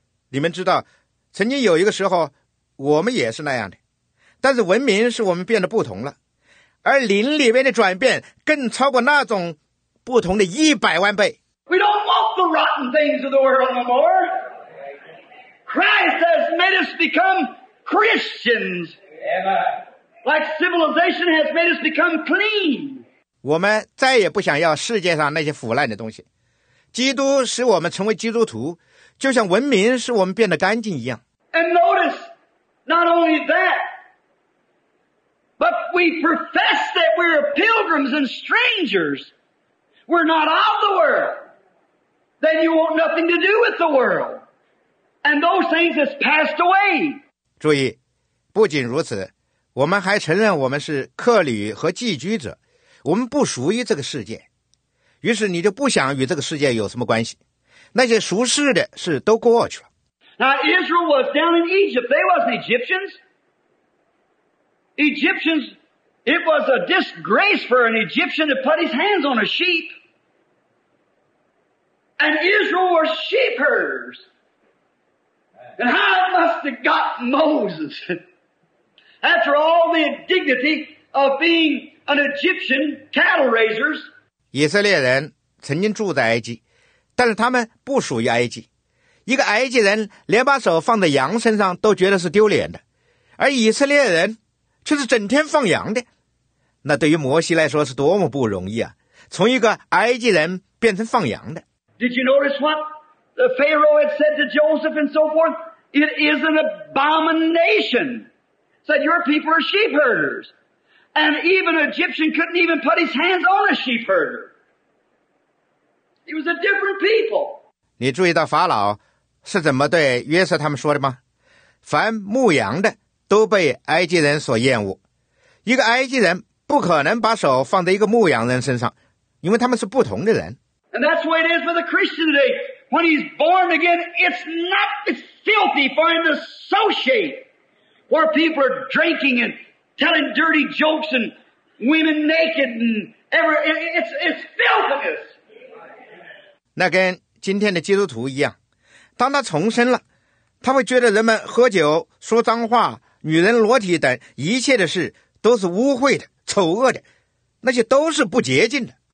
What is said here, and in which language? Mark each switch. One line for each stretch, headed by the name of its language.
Chinese: 你们知道，曾经有一个时候，我们也是那样的。但是文明使我们变得不同了，而灵里面的转变更超过那种不同的一百万倍。
English: We don't want the rotten things of the world no more. Christ has made us become... Christians, like civilization has made us become clean.
Chinese: 我们再也不想要世界上那些腐烂的东西。基督使我们成为基督徒，就像文明使我们变得干净一样。
English: And notice, not only that, but we profess that we're pilgrims and strangers. We're not of the world. Then you want nothing to do with the world. And those things have passed away.
Chinese: 注意，不仅如此，我们还承认我们是客旅和寄居者，我们不属于这个世界。于是你就不想与这个世界有什么关系，那些俗世的事都过去了。
English: Now Israel was down in Egypt. They wasn't Egyptians. Egyptians, it was a disgrace for an Egyptian to put his hands on a sheep. And Israel were sheep herders. And how it must have got Moses. After all the dignity of being an Egyptian cattle raisers,
Chinese: 以色列人曾经住在埃及，但是他们不属于埃及。一个埃及人连把手放在羊身上都觉得是丢脸的，而以色列人却是整天放羊的。那对于摩西来说是多么不容易啊！从一个埃及人变成放羊的。
English: Did you notice what the Pharaoh had said to Joseph and so forth? It is an abomination that your people are sheep herders. And even an Egyptian couldn't even put his hands on a sheep herder. He was a different people.
Chinese: 你注意到法老是怎么对约瑟他们说的吗？凡牧羊的都被埃及人所厌恶。一个埃及人不可能把手放在一个牧羊人身上，因为他们是不同的人。
English: And that's what it is with a Christian today. When he's born again, it's not filthy for him to associate where people are drinking andtelling dirty jokes and women naked and it's filthiness.
Chinese: 那跟今天的基督徒一样，当他重生了，他会觉得人们喝酒、说脏话、女人裸体等一切的事都是污秽的、丑恶的，那些都是不洁净的。